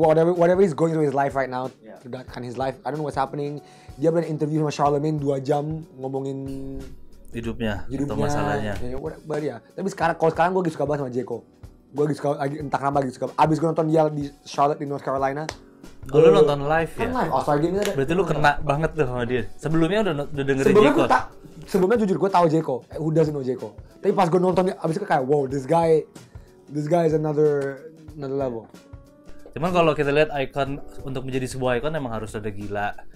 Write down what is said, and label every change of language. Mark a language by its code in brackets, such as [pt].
[en] Whatever is going through his life right now, in his life, I don't know what's happening. [id] Dia pernah interview sama Charlemagne 2 jam ngomongin hidupnya atau masalahnya. Tapi sekarang kalau sekarang gue lagi suka banget sama J. Cole. Gue lagi suka, entah kenapa lagi suka. Abis gue nonton dia di Charlotte di North Carolina. Oh, lu nonton live kan [en] Live. Oh, sorry, [id] dia berarti lu kena banget tuh sama dia. Sebelumnya udah dengerin J. Cole. Sebelumnya jujur gue tahu J. [en] Cole. Who doesn't know J. Cole? [id] Tapi pas gue nonton abis itu kayak wow, [en] this guy is another level. [id] Cuman kalau kita lihat ikon, untuk menjadi sebuah ikon emang harus ada gila.